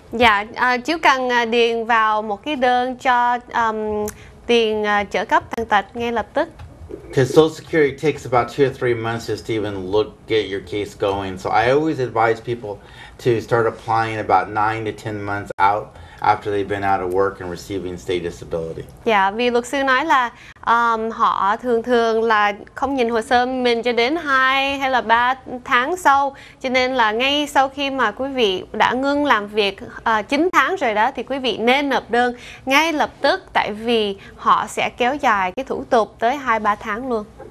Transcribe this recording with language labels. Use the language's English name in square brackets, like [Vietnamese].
[Vietnamese] Yeah, chú cần điền vào một cái đơn cho tiền trợ cấp tàn tật ngay lập tức. [English] Because Social Security takes about 2 or 3 months just to even get your case going. So I always advise people to start applying about 9 to 10 months out after they've been out of work and receiving state disability. [Vietnamese] Yeah, vì luật sư nói là họ thường thường là không nhìn hồ sơ mình cho đến 2 hay là 3 tháng sau. Cho nên là ngay sau khi mà quý vị đã ngưng làm việc 9 tháng rồi đó, thì quý vị nên nộp đơn ngay lập tức, tại vì họ sẽ kéo dài cái thủ tục tới 2-3 tháng luôn.